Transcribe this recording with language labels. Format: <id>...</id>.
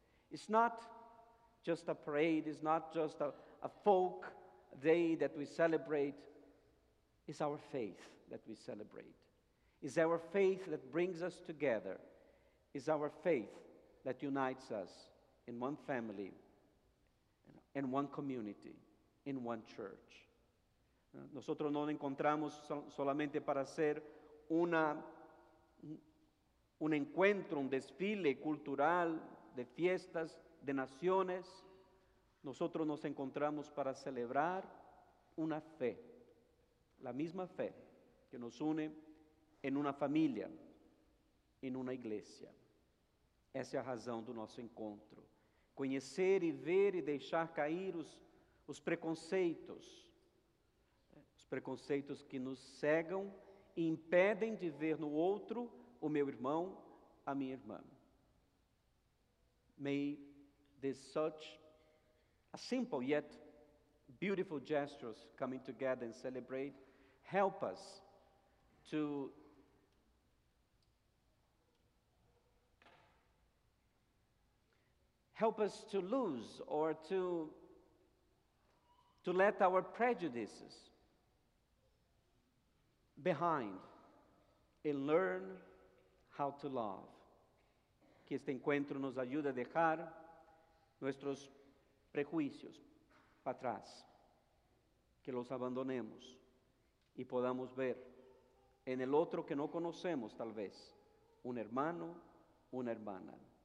<en>It's not just a parade, it's not just a folk day that we celebrate. It's our faith that we celebrate. It's our faith that brings us together. It's our faith that unites us in one family, in one community, in one church.</en> <es>Nosotros no encontramos solamente para hacer un encuentro, un desfile cultural, de fiestas, de naciones. Nosotros nos encontramos para celebrar una fe, la misma fe que nos une en una familia, en una iglesia.</es> <pt>Essa é a razão do nosso encontro. Conhecer e ver e deixar cair os preconceitos. Os preconceitos que nos cegam e impedem de ver no outro o meu irmão, a minha irmã.</pt> <en>May this such a simple yet beautiful gestures coming together and celebrate help us to lose or to let our prejudices behind and learn how to love.</en> <es>Que este encuentro nos ayude a dejar nuestros prejuicios para atrás, que los abandonemos y podamos ver en el otro que no conocemos tal vez, un hermano, una hermana.</es>